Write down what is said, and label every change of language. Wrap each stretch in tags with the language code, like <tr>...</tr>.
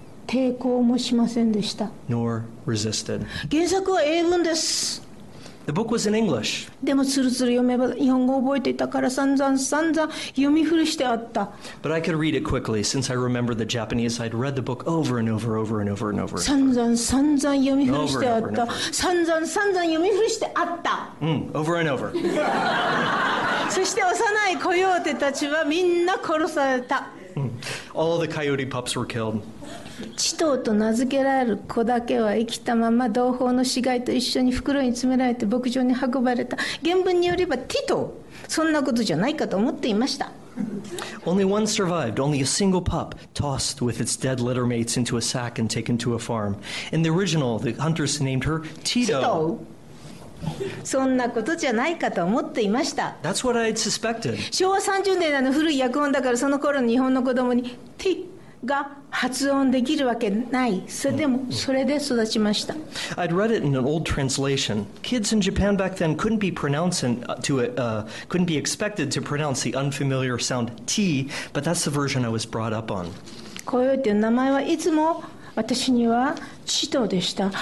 <ja>抵抗もしませんでした</ja> <en>Nor resisted.</en> <ja>原作は英文です</ja> <en>The book was in English.</en> <ja>でもつるつる読めば日本語を覚えていたから散々散々読み古してあった</ja> <en>But I could read it quickly since I remember the Japanese. I'd read the book over and over, over and over and over.</en> <ja>散々散々読み古してあった散々散々読み古してあった</ja> <en>Over and over.</en> <ja>そして幼いコヨーテたちはみんな殺された</ja> <en>All the coyote pups were killed.</en> <ja>チトーと名付けられる子だけは生きたまま同胞の死骸と一緒に袋に詰められて牧場に運ばれた原文によればティトーそんなことじゃないかと思っていました</ja> <en>Only one survived, only a single pup tossed with its dead litter mates into a sack and taken to a farm In the original, the hunters named her Tito</en> <ja>チトそんなことじゃないかと思っていました。</ja> <en>That's what I had suspected.</en> <ja>昭和30年代の古い訳音だから、その頃の日本の子供に T が発音できるわけない。それでもそれで育ちました。</ja> <en>I'd read it in an old translation. Kids in Japan back then couldn't be pronouncing to it, couldn't be expected to pronounce the unfamiliar sound T, but that's the version I was brought up on.</en> <ja>コヨーテの名前はいつも私にはチトでした。</ja>